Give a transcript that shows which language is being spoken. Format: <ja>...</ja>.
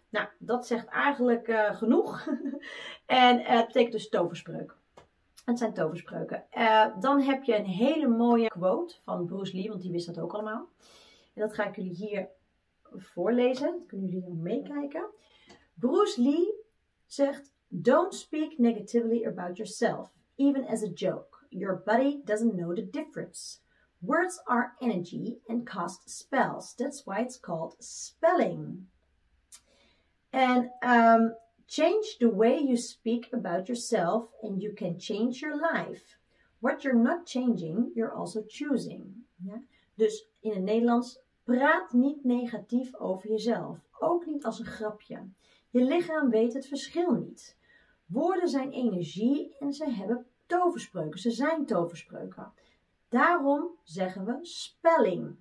<nl>Nou, dat zegt eigenlijk genoeg. En het betekent dus toverspreuk. Het zijn toverspreuken. Dan heb je een hele mooie quote van Bruce Lee, want die wist dat ook allemaal. En dat ga ik jullie hier voorlezen. Dat kunnen jullie nog meekijken. Bruce Lee zegt:</nl> <en>don't speak negatively about yourself, even as a joke. Your body doesn't know the difference. Words are energy and cast spells. That's why it's called spelling. And change the way you speak about yourself and you can change your life. What you're not changing, you're also choosing.</en> <nl>Ja? Dus in het Nederlands: praat niet negatief over jezelf. Ook niet als een grapje. Je lichaam weet het verschil niet. Woorden zijn energie en ze hebben toverspreuken. Ze zijn toverspreuken. Daarom zeggen we spelling.</nl>